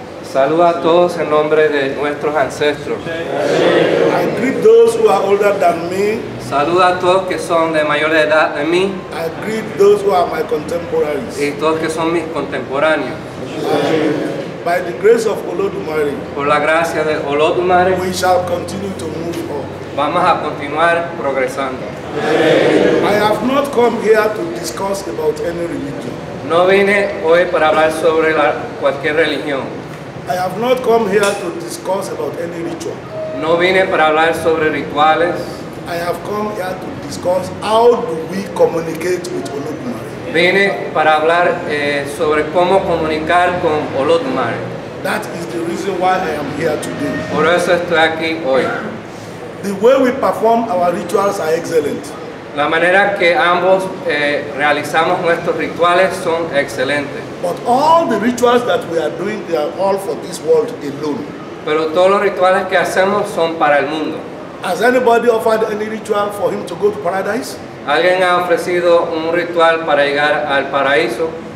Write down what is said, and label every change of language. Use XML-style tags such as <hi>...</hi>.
<es>Saludo a todos en nombre de nuestros ancestros.</es> <en>I greet those who are older than me.</en> <es>Saludo a todos que son de mayor edad de mí.</es> <en>I greet those who are my contemporaries.</en> <es>Y todos que son mis contemporáneos.</es> <en>By the grace of Olodumare.</en> <es>Por la gracia de Olodumare.</es> <en>We shall continue to move on.</en> <es>Vamos a continuar progresando.</es> <en>I have not come here to discuss about any religion.</en> <es>No vine hoy para hablar sobre cualquier religión.</es> <en>I have not come here to discuss about any ritual.</en> <es>No vine para hablar sobre rituales.</es> <en>I have come here to discuss how do we communicate with Olodumare.</en> <es>Vine para hablar sobre cómo comunicar con Olodumare.</es> <en>That is the reason why I am here today.</en> <es>Por eso estoy aquí hoy.</es> <en>The way we perform our rituals are excellent.</en> <es>La manera que ambos realizamos nuestros rituales son excelentes.</es> <en>But all the rituals that we are doing, they are all for this world alone.</en> <es>Pero todos los rituales que hacemos son para el mundo.</es> <en>Has anybody offered any ritual for him to go to paradise?</en> <es>¿Alguien ha ofrecido un ritual para llegar al paraíso?</es>